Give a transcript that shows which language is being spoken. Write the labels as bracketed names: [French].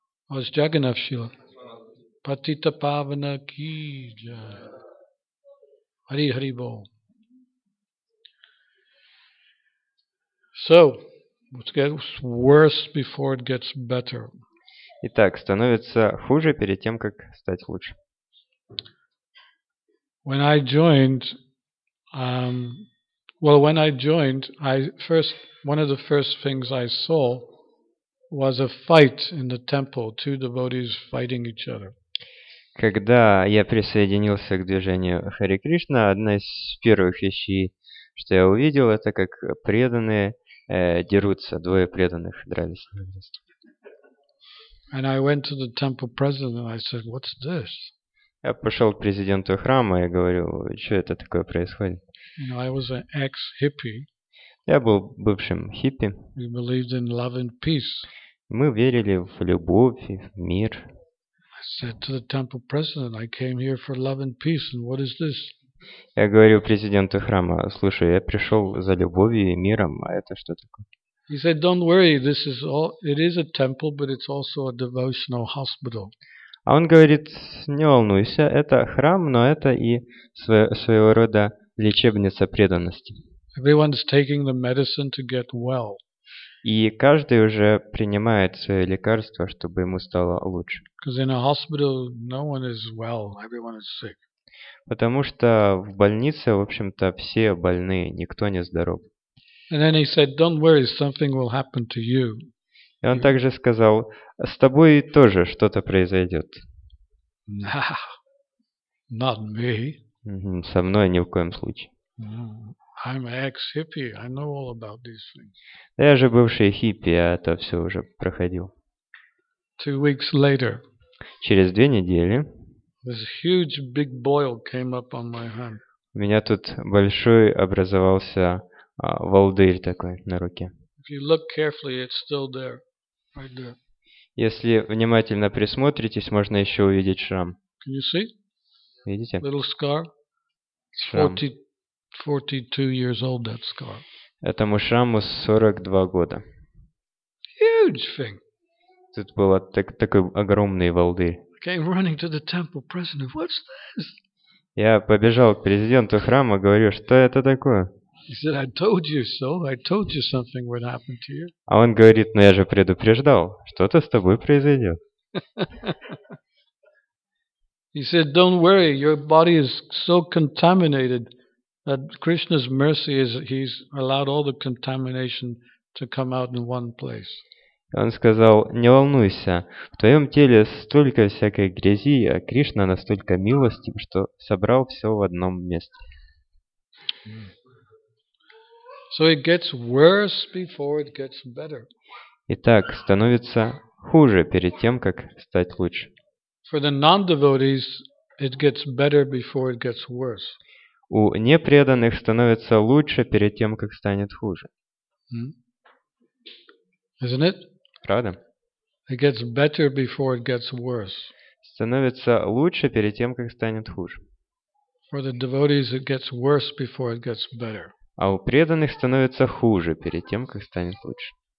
[English] Oh, it's Jagannath Shila. Patita Pavana Kija. Hari Hari Bol. So, it gets worse before it gets better. [Russian] Итак, становится хуже перед тем, как стать лучше. [English] When I joined, one of the first things I saw was a fight in the temple, two devotees fighting each other. [Russian] Когда я присоединился к движению Хари Кришна, одна из первых вещей, что я увидел, это как преданные дерутся, двое преданных дрались. [English] And I went to the temple president and I said, "What's this?" [Russian] Я пошел к президенту храма и говорю, что это такое происходит? [English] You know, I was an ex-hippie. [Russian] Я был бывшим хиппи. [English] We believed in love and peace. [Russian] Мы верили в любовь и в мир. [English] I said to the temple president, "I came here for love and peace, and what is this?" [Russian] Я говорю президенту храма, слушай, я пришел за любовью и миром, а это что такое? [English] He said, "Don't worry, this is all. It is a temple, but it's also a devotional hospital." [Russian] А он говорит, не волнуйся, это храм, но это и своего рода лечебница преданности. [English] Everyone's taking the medicine to get well. [Russian] И каждый уже принимает свое лекарство, чтобы ему стало лучше. [English] Because in a hospital, no one is well. Everyone is sick. [Russian] Потому что в больнице, в общем-то, все больны, никто не здоров. [English] And then he said, "Don't worry, something will happen to you." [Russian] И он также сказал, с тобой тоже что-то произойдет. [English] No, not me. [Russian] Со мной ни в коем случае. [English] I'm an ex-hippie. I know all about these things. [Russian] Я же бывший хиппи, а это все уже проходил. [English] 2 weeks later. [Russian] Через 2 недели. [English] This huge big boil came up on my hand. [Russian] У меня тут большой образовался волдырь такой на руке. [English] If you look carefully, it's still there. Right there. [Russian] Если внимательно присмотритесь, можно еще увидеть шрам. [English] Can you see? [Russian] Видите? [English] Little scar. [Russian] Шрам. [English] 42 years old, that scar. [Russian] Этому шраму 42 года. [English] Huge thing. [Russian] Тут был такой огромный волдырь. [English] Came running to the temple president. What's this? [Russian] Я побежал к президенту храма, говорю, что это такое? [English] He said, "I told you so. I told you something would happen to you." [Russian] А он говорит, ну я же предупреждал, что-то с тобой произойдет. [English] He said, "Don't worry. Your body is so contaminated that Krishna's mercy is he's allowed all the contamination to come out in one place." [Russian] Он сказал, не волнуйся, в твоем теле столько всякой грязи, а Кришна настолько милостив, что собрал все в одном месте. [English] So it gets worse before it gets better. [Russian] Итак, становится хуже перед тем, как стать лучше. [English] For the non-devotees, it gets better before it gets worse. [Russian] У непреданных становится лучше перед тем, как станет хуже. [English] Isn't it? [Russian] Правда? [English] It gets better before it gets worse. [Russian] Становится лучше перед тем, как станет хуже. [English] For the devotees, it gets worse before it gets better. [Russian] А у преданных становится хуже перед тем, как станет лучше.